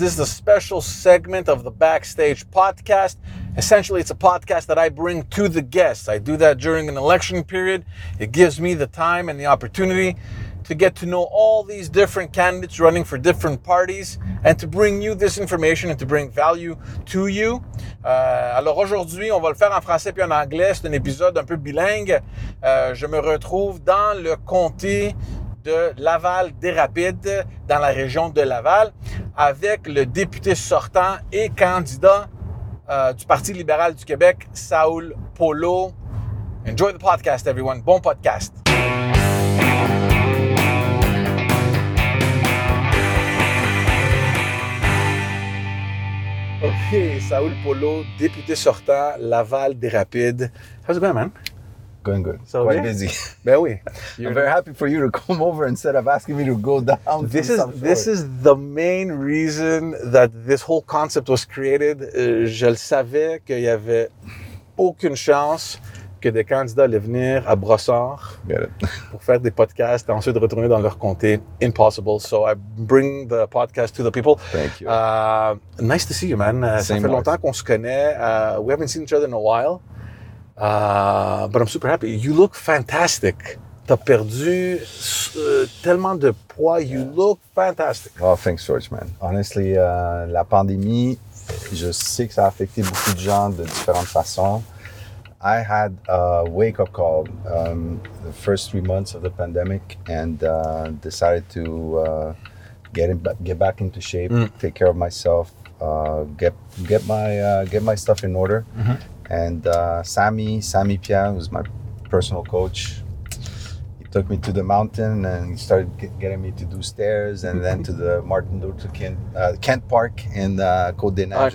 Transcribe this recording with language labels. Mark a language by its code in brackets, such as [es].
[en] This is a special segment of the Backstage Podcast. Essentially, it's a podcast that I bring to the guests. I do that during an election period. It gives me the time and the opportunity to get to know all these different candidates running for different parties and to bring you this information and to bring value to you. [fr] Alors aujourd'hui, on va le faire en français puis en anglais. C'est un épisode un peu bilingue. Je me retrouve dans le comté de Laval-Des-Rapides, dans la région de Laval, avec le député sortant et candidat du Parti libéral du Québec, Saul Polo. [en] Enjoy the podcast, everyone. [fr] Bon podcast. Okay, Saul Polo, député sortant, Laval-Des-Rapides. [en] How's it going, man? Going good. So quite busy. [fr] Ben oui. [en] I'm very happy for you to come over instead of asking me to go down. This is the main reason that this whole concept was created. [fr] Je le savais qu'il y avait aucune chance que des candidats allaient venir à Brossard pour faire des podcasts et ensuite retourner dans leur comté. Impossible. [en] So I bring the podcast to the people. Thank you. Nice to see you, man. [fr] Ça fait longtemps qu'on se connaît. [en] We haven't seen each other in a while. But I'm super happy. You look fantastic. [fr] T'as perdu tellement de poids. [en] You look fantastic. Oh, thanks, George, man. [fr] Honestly, la pandémie, je sais que ça a affecté beaucoup de gens de différentes façons. [en] I had a wake-up call the first 3 months of the pandemic and decided to get back into shape, take care of myself, get my stuff in order. Mm-hmm. And Sammy Pierre, who's my personal coach, he took me to the mountain and he started getting me to do stairs and then to the Martin Luther King, Kent Park in Côte des Neiges.